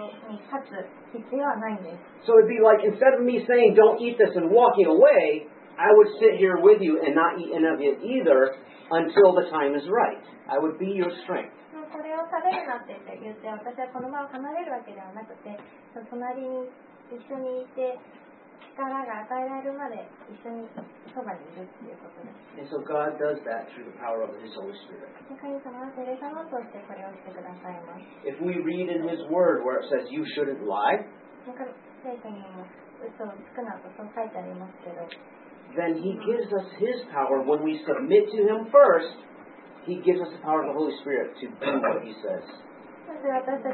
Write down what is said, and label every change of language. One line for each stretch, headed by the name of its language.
English: So it'd be like, instead of me saying, don't eat this and walking away, I would sit here with you and not eat any of it either until the time is right. I would be your strength.
Japanese: これを食べるなって言って、私はこの場を離れるわけではなくて、その隣に一緒にいて、力が与えられるまで一緒にそばにいるっていうことです。
English: So God does that through the power of His Holy Spirit.
Japanese: 神様は聖霊様を通してこれをしてくださいます。
English: If we read in His Word where it says you shouldn't lie,
Japanese: 聖書にも嘘をつくなとそう書いてありますけど、
English: then He gives us His power when we submit to Him first. He gives us the power of the Holy Spirit to do what He says.